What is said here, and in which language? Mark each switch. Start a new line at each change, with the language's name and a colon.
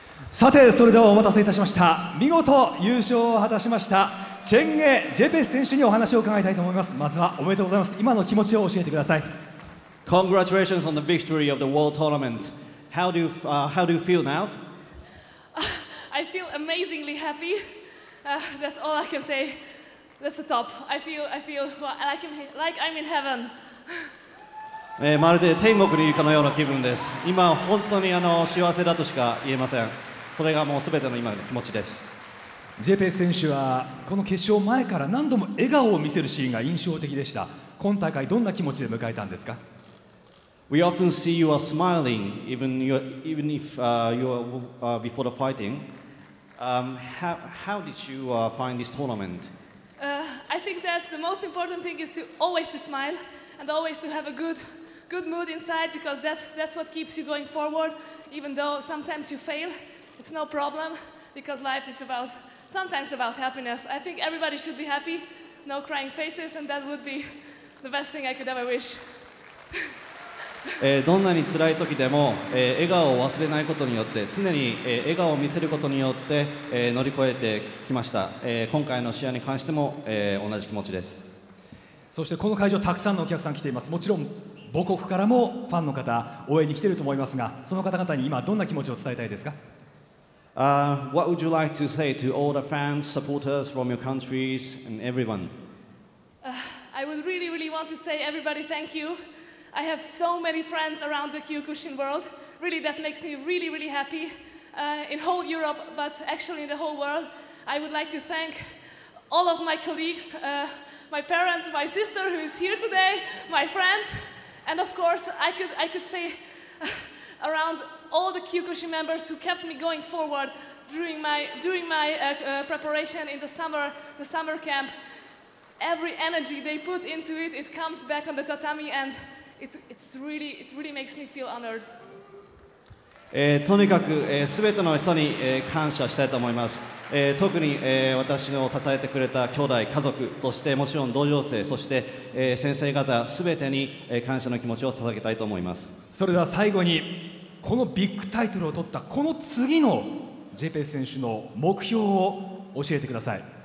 Japanese: さて、それではお待たせいたしました。見事優勝を果たしましたチェンゲ・ジェペス選手にお話を伺いたいと思います。まずはおめでとうございます。今の気持ちを教えてください。
English: Congratulations on the victory of the World Tournament. How do you feel now? I feel amazingly happy. That's all I can say. That's the top. I feel like I'm in heaven.
Japanese: まるで天国にいるかのような気分です。今本当に幸せだとしか言えません。それがもう全ての今の気持ちです。ジェペス選手はこの決勝前から何度も笑顔を見せるシーンが印象的でした。今大会どんな気持ちで迎えたんですか？
English: We often see you are smiling even if you are before the fighting. How did you find this tournament? I think that's the most important thing is to always to smile and always to have a good mood inside because that's what keeps you going forward even though sometimes you fail. It's no problem because life is about sometimes about happiness. I think everybody should be happy, no crying faces, and that would be the best thing I could ever wish.
Japanese: どんなに辛い時でも、笑顔を忘れないことによって常に、笑顔を見せることによって、乗り越えてきました。今回の試合に関しても、同じ気持ちです。そしてこの会場たくさんのお客さん来ています。もちろん母国からもファンの方応援に来ていると思いますが、その方々に今どんな気持ちを伝えたいですか？
English: What would you like to say to all the fans, supporters from your countries and everyone? I would really, really want to say everybody thank you. I have so many friends around the Kyokushin world. Really, that makes me really, really happy. In whole Europe, but actually in the whole world, I would like to thank all of my colleagues, my parents, my sister who is here today, my friends. And of course, I could say around... all the Kyokushin members who kept me going forward during my preparation in the summer camp. Every energy they put into it, it comes back on the tatami and it really makes me feel honored.
Japanese: とにかく、全ての人に、感謝したいと思います。特に、私を支えてくれた兄弟、家族、そしてもちろん同僚生、そして、先生方、全てに、感謝の気持ちを捧げたいと思います。それでは最後に、このビッグタイトルを取ったこの次のジェペス選手の目標を教えてください。